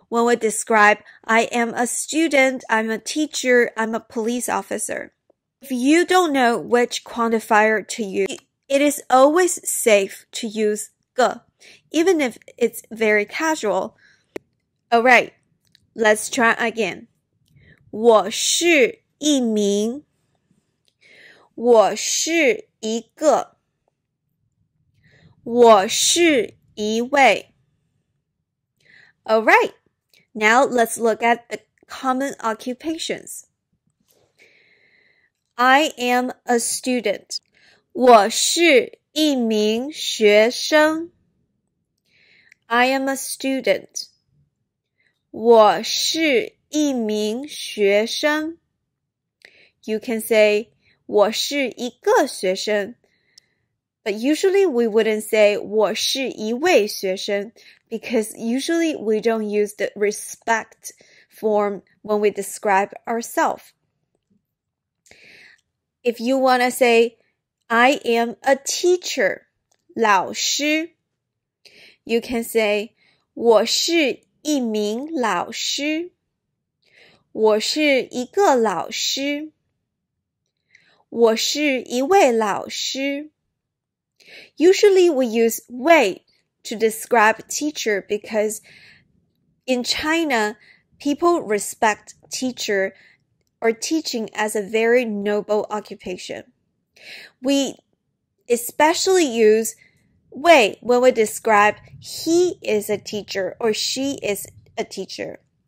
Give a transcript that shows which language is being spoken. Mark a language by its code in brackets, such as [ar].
[en] when we describe, I am a student, I'm a teacher, I'm a police officer. If you don't know which quantifier to use, it is always safe to use ge, even if it's very casual. All right, let's try again. [zh] 我是一名，我是一个，我是一位。 [en] All right, now let's look at the common occupations. I am a student. [zh] 我是一名学生。 [en] I am a student. [zh] 我是一名学生。 [en] You can say [zh] 我是一个学生。 [en] But usually we wouldn't say [zh] 我是一位学生 [en] because usually we don't use the respect form when we describe ourselves. If you want to say, I am a teacher, [zh] 老师, [en] you can say [zh] 我是一名老师, 我是一个老师, 我是一位老师。 [en] Usually we use 位 to describe teacher because in China, people respect teacher or teaching as a very noble occupation. We especially use 位 when we describe he is a teacher or she is a teacher.